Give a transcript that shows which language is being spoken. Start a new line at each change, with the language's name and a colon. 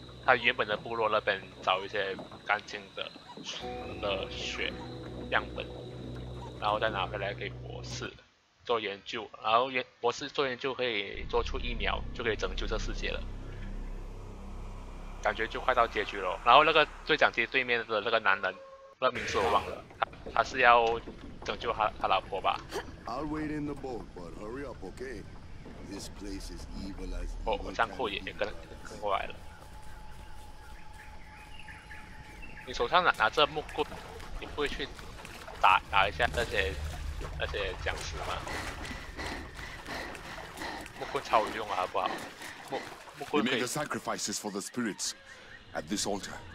Chinese: 他原本的部落那边找一些干净的血样本，然后再拿回来给博士做研究，然后博士做研究可以做出疫苗，就可以拯救这世界了。感觉就快到结局了。然后那个对讲机对面的那个男人，那名字我忘了，他是要拯救他老婆吧。
English: I'll wait in the boat, but hurry up, okay? This place is evil as evil.
Chinese: 我上库也跟过来了。你手上 拿着木棍，你不会去打一下那些僵尸吗？木棍超有用啊，好不好？木棍可以。
English: We made the sacrifices for the spirits at this altar。